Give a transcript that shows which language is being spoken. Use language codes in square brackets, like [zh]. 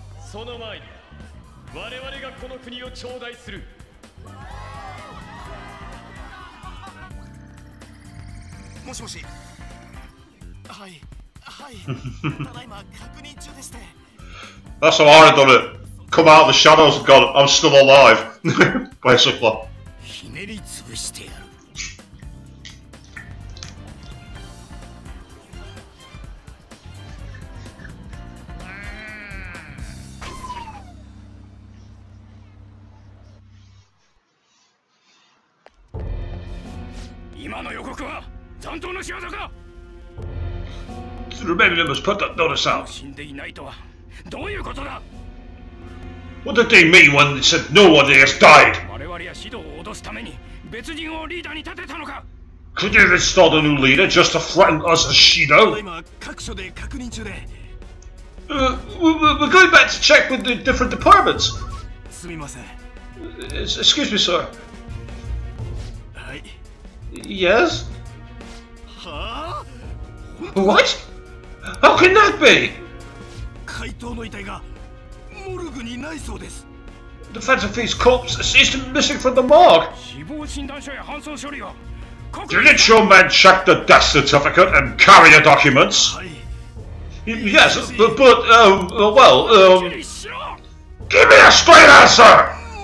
[ja] その前に我々がこの国を頂戴する。もしもし。はいはい。ただいま確認中でして。 [en] That's how I would have done it. Come out of the shadows, God, I'm still alive. Basically. [ja] ひねりつぶしてやる。今の予告は残党の仕業か。 [en] Maybe they must put that notice out. [ja] 死んでいないとはどういうことだ。 [en] What did they mean when they said no one has died? [ja] 我々はシドを脅すために別人をリーダーに立てたのか。 [en] Could you install a new leader just to threaten us as Shido? [ja] 今各所で確認中で。 [en] We're going back to check with the different departments. [ja] すみません。 [en] Excuse me, sir. [ja] はい。 [en] Yes? [ja] はあ？ [en] What? How can that be? [ja] 怪盗の遺体がモルグにないそうです。 [en] The Phantom Thieves corpse seems to be missing from the morgue. [ja] 死亡診断書や搬送処理を。 [en] Didn't your man check the death certificate and carry the documents? Yes, but give me a straight answer!